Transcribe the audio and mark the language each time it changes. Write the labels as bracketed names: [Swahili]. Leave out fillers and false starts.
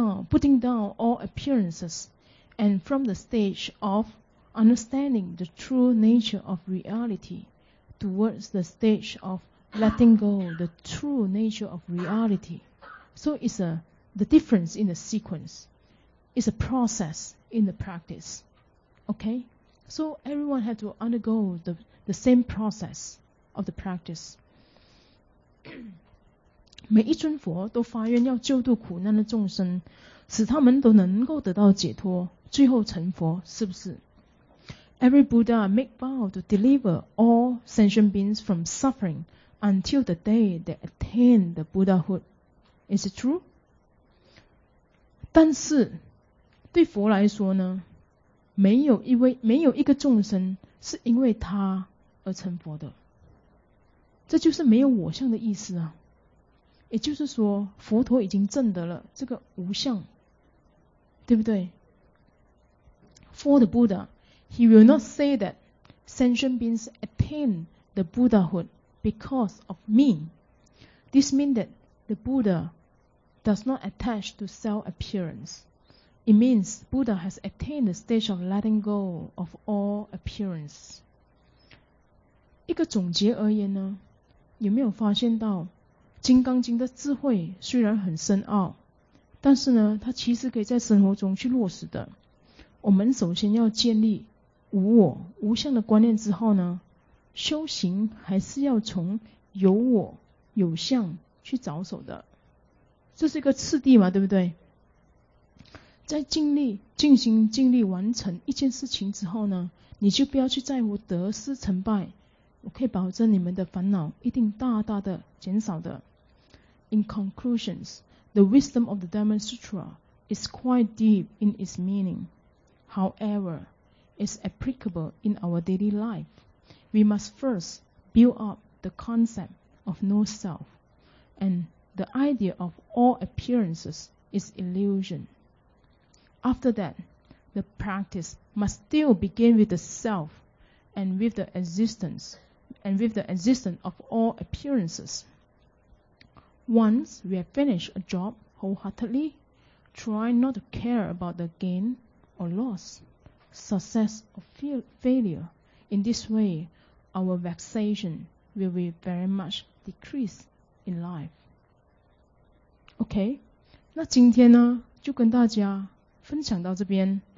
[English] Putting down all appearances, and from the stage of understanding the true nature of reality towards the stage of letting go the true nature of reality. So it's the difference in the sequence. It's a process in the practice. Okay? So everyone has to undergo the same process of the practice. [Chinese] 每一尊佛都发愿要救度苦难的众生，使他们都能够得到解脱，最后成佛，是不是？ [English] Every Buddha make vow to deliver all sentient beings from suffering until the day they attain the Buddhahood. Is it true? [Chinese] 但是对佛来说呢，没有一个众生是因为他而成佛的，这就是没有我相的意思啊。也就是说，佛陀已经证得了这个无相，对不对？ [English] For the Buddha, he will not say that sentient beings attain the Buddhahood because of me. This means that the Buddha does not attach to self-appearance. It means Buddha has attained the stage of letting go of all appearance. [Chinese] 一个总结而言呢，有没有发现到金刚经的智慧虽然很深奥，但是呢，它其实可以在生活中去落实的。我们首先要建立无我、无相的观念之后呢，修行还是要从有我、有相去着手的，这是一个次第嘛，对不对？在尽力进行、尽力完成一件事情之后呢，你就不要去在乎得失成败，我可以保证你们的烦恼一定大大的减少的。 [English] In conclusions, the wisdom of the Dhamma Sutra is quite deep in its meaning. However, it's applicable in our daily life. We must first build up the concept of no self, and the idea of all appearances is illusion. After that, the practice must still begin with the self and with the existence, and with the existence of all appearances. Once we have finished a job wholeheartedly, try not to care about the gain or loss, success or failure. In this way, our vexation will be very much decreased in life. [Chinese] OK, 那今天呢，就跟大家分享到这边。